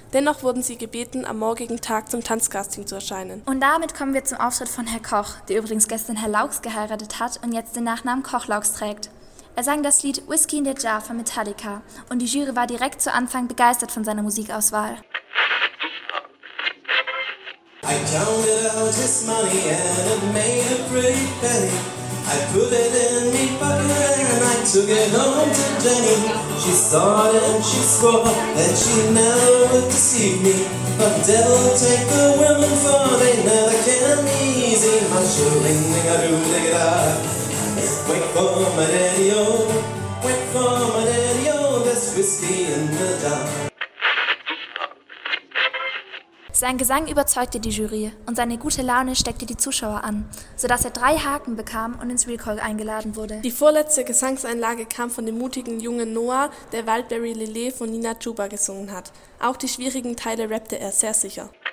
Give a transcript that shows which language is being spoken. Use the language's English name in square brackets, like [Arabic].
[German] Dennoch wurden sie gebeten, am morgigen Tag zum Tanzcasting zu erscheinen. Und damit kommen wir zum Auftritt von Herr Koch, der übrigens gestern Herr Lauchs geheiratet hat und jetzt den Nachnamen Kochlauchs trägt. Er sang das Lied Whiskey in the Jar von Metallica und die Jury war direkt zu Anfang begeistert von seiner Musikauswahl. [English] I counted out his money and it made a pretty penny. I put it in me pocket and I took it home to Jenny. She saw it and she swore that she never would deceive me. But devil take the women, for they never can be easy. Hushling, nigga, do, nigga, da. Wait for my daddy, oh. Wait for my daddy, oh. There's whiskey in the dark. [German] Sein Gesang überzeugte die Jury und seine gute Laune steckte die Zuschauer an, sodass er 3 Haken bekam und ins Recall eingeladen wurde. Die vorletzte Gesangseinlage kam von dem mutigen jungen Noah, der Wildberry Lillet von Nina Chuba gesungen hat. Auch die schwierigen Teile rappte er sehr sicher.